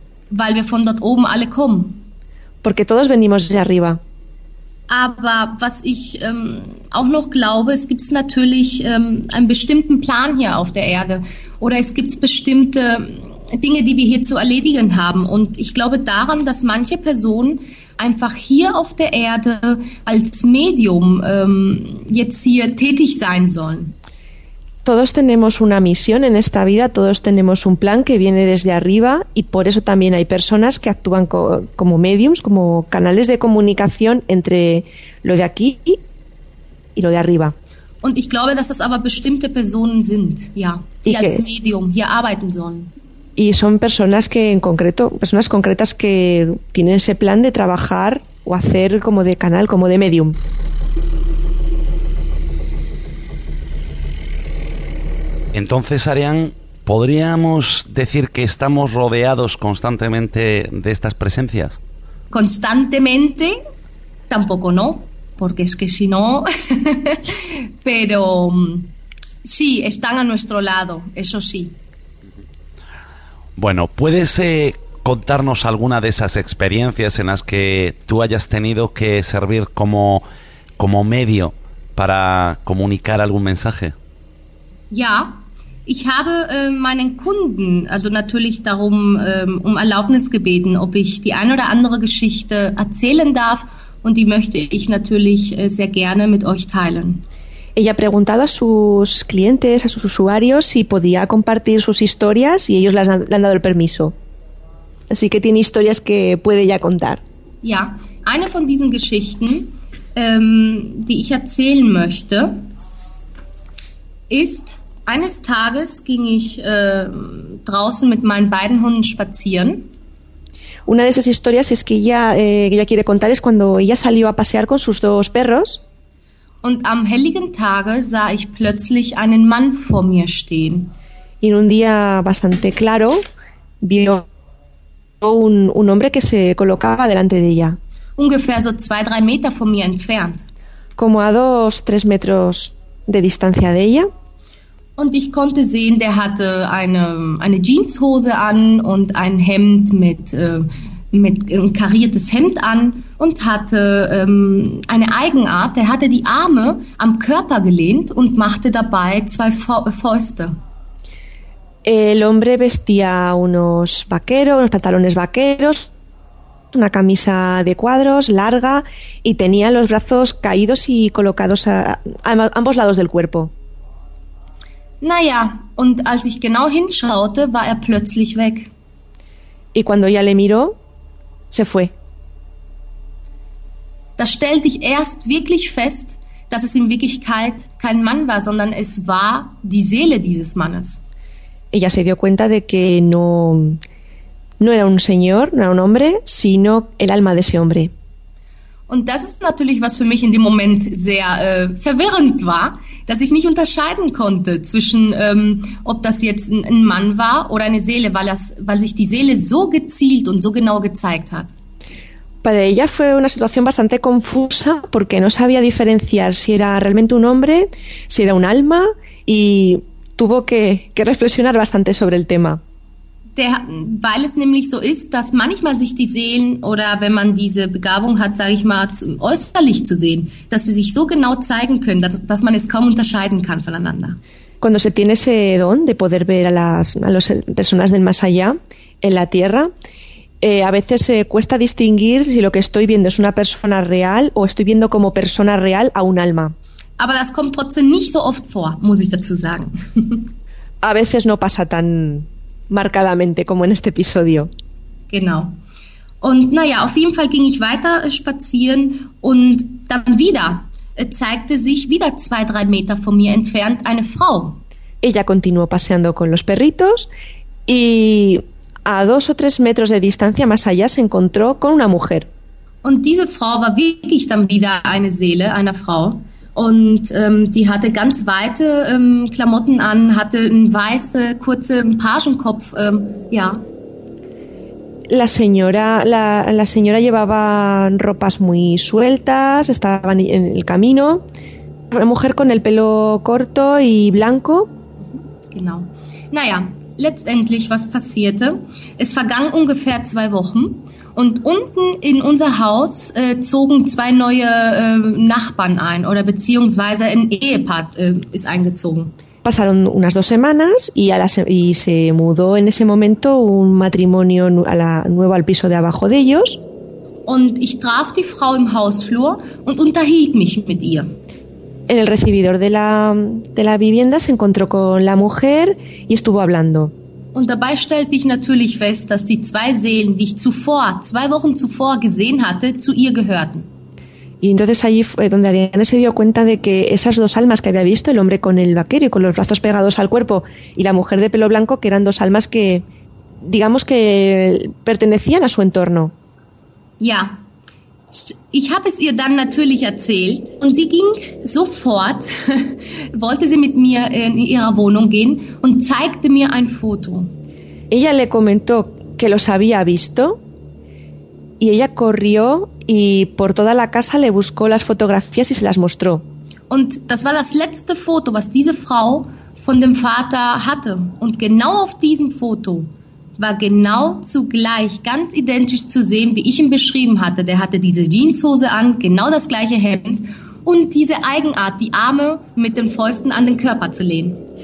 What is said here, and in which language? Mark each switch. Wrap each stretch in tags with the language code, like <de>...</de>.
<de>Weil wir von dort oben alle kommen.</de> <es>Porque todos venimos de arriba.</es> <de>Aber was ich auch noch glaube, es gibt natürlich einen bestimmten Plan hier auf der Erde. Oder es gibt bestimmte Dinge, die wir hier zu erledigen haben. Und ich glaube daran, dass manche Personen einfach hier auf der Erde als Medium jetzt hier tätig sein sollen.</de> <es>Todos tenemos una misión en esta vida, todos tenemos un plan que viene desde arriba y por eso también hay personas que actúan como mediums, como canales de comunicación entre lo de aquí y lo de arriba.</es> <de>Und ich glaube, dass das aber bestimmte Personen sind, ja, die als Medium hier arbeiten sollen.</de> <es>Y son personas que en concreto, personas concretas que tienen ese plan de trabajar o hacer como de canal, como de medium. Entonces, Ariane, ¿podríamos decir que estamos rodeados constantemente de estas presencias? Constantemente, tampoco no, porque es que si no... Pero sí, están a nuestro lado, eso sí. Bueno, ¿puedes contarnos alguna de esas experiencias en las que tú hayas tenido que servir como medio para comunicar algún mensaje?</es> <de>Ja. Ich habe meinen Kunden, also natürlich darum, um Erlaubnis gebeten, ob ich die ein oder andere Geschichte erzählen darf. Und die möchte ich natürlich sehr gerne mit euch teilen.</de> <es>Ella preguntaba a sus clientes, a sus usuarios, si podía compartir sus historias y ellos le han dado el permiso. Así que tiene historias que puede ya contar.</es> <de>Ja, eine von diesen Geschichten, die ich erzählen möchte, ist... Eines Tages ging ich draußen mit meinen beiden Hunden spazieren.</de> <es>Una de esas historias es que ella quiere contar es cuando ella salió a pasear con sus dos perros.</es> <de>Und am helligen Tage sah ich plötzlich einen Mann vor mir stehen.</de> <es>Y en un día bastante claro vio un hombre que se colocaba delante de ella.</es> <de>Ungefähr so 2-3 Meter von mir entfernt.</de> <es>Como a 2-3 metros de distancia de ella.</es> <de>Und ich konnte sehen, der hatte eine Jeanshose an und ein Hemd mit ein kariertes Hemd an und hatte eine Eigenart. Der hatte die Arme am Körper gelehnt und machte dabei zwei Fäuste.</de> <es>El hombre vestía unos pantalones vaqueros, una camisa de cuadros larga y tenía los brazos caídos y colocados a ambos lados del cuerpo.</es> <de>Naja, und als ich genau hinschaute, war plötzlich weg.</de> <es>Y cuando ya le miró, se fue.</es> <de>Da stellte ich erst wirklich fest, dass es in Wirklichkeit kein Mann war, sondern es war die Seele dieses Mannes.</de> <es>Ella se dio cuenta de que no era un señor, no era un hombre, sino el alma de ese hombre.</es> <de>Und das ist natürlich was für mich in dem Moment sehr verwirrend war, dass ich nicht unterscheiden konnte zwischen ob das jetzt ein Mann war oder eine Seele, weil sich die Seele so gezielt und so genau gezeigt hat.</de> <es>Para ella fue una situación bastante confusa porque no sabía diferenciar si era realmente un hombre, si era un alma y tuvo que reflexionar bastante sobre el tema.</es> <de>Weil es nämlich so ist, dass manchmal sich die Seelen oder wenn man diese Begabung hat, sage ich mal, äußerlich zu sehen, dass sie sich so genau zeigen können, dass man es kaum unterscheiden kann voneinander.</de> <es>Cuando se tiene ese don de poder ver a las personas del más allá en la tierra, a veces cuesta distinguir si lo que estoy viendo es una persona real o estoy viendo como persona real a un alma.</es> <de>Aber das kommt trotzdem nicht so oft vor, muss ich dazu sagen.</de> <es>A veces no pasa tan marcadamente como en este episodio.</es> <de>Genau. Und naja, auf jeden Fall ging ich weiter spazieren und dann wieder zeigte sich wieder 2-3 Meter von mir entfernt eine Frau.</de> <es>Ella continuó paseando con los perritos y a 2 o 3 metros de distancia más allá se encontró con una mujer.</es> <de>Und diese Frau war wirklich dann wieder eine Seele einer Frau. Und die hatte ganz weite Klamotten an, hatte einen weißen, kurzen Pagenkopf, ja.</de> <es>La señora llevaba ropas muy sueltas, estaba en el camino. Una mujer con el pelo corto y blanco.</es> <de>Genau. Naja, letztendlich, was passierte? Es vergangen ungefähr 2 Wochen. Und unten in unser Haus zogen 2 neue Nachbarn ein oder beziehungsweise ein Ehepaar ist eingezogen.</de> <es>Pasaron unas 2 semanas y se mudó en ese momento un matrimonio nuevo al piso de abajo de ellos.</es> <de>Und ich traf die Frau im Hausflur und unterhielt mich mit ihr.</de> <es>En el recibidor de la vivienda se encontró con la mujer y estuvo hablando.</es> <de>Und dabei stellte ich natürlich fest, dass die 2 Seelen, die ich zuvor, 2 Wochen zuvor gesehen hatte, zu ihr gehörten.</de> <es>Y entonces allí fue donde Ariane se dio cuenta de que esas 2 almas que había visto, el hombre con el vaquero y con los brazos pegados al cuerpo y la mujer de pelo blanco, que eran 2 almas que, digamos que, pertenecían a su entorno.</es> <de>Ja, ich habe es ihr dann natürlich erzählt und sie ging sofort, wollte sie mit mir in ihrer Wohnung gehen und zeigte mir ein Foto.</de> <es>Ella le comentó que los había visto y ella corrió y por toda la casa le buscó las fotografías y se las mostró.</es> <de>Und das war das letzte Foto, was diese Frau von dem Vater hatte. Und genau auf diesem Foto war genau zugleich ganz identisch zu sehen, wie ich ihn beschrieben hatte. Der hatte diese Jeanshose an, genau das gleiche Hemd und diese Eigenart, die Arme mit den Fäusten an den Körper zu lehnen.</de>